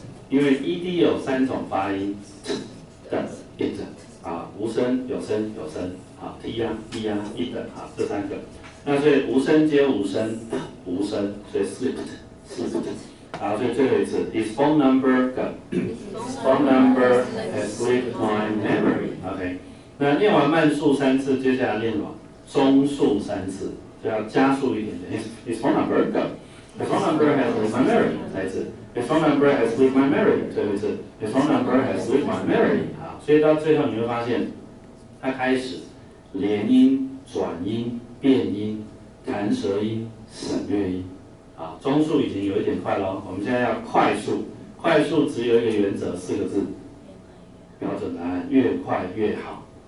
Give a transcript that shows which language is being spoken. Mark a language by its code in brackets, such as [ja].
[zh] 因为 ED 有三种发音 ，t 的 ，it 啊，无声、有声、有声啊 ，t 啊、e 啊、it 的啊，这三个。那所以无声接无声，无声，所以 slipped 啊，所以最后一次 ， [en] his phone number phone number has slipped my memory。 [zh] OK， 那念完慢速三次，接下来念什么？中速三次，就要加速一点点。 [en] his phone number his phone number has slipped my memory。 [zh] 再一次。 [en] His phone number has slipped my memory， [zh] 最后一次。 [en] His phone number has slipped my memory， [zh] 所以到最后你会发现，它开始连音、转音、变音、弹舌音、省略音，啊，中速已经有一点快了。我们现在要快速，快速只有一个原则，四个字，标准答案，越快越好。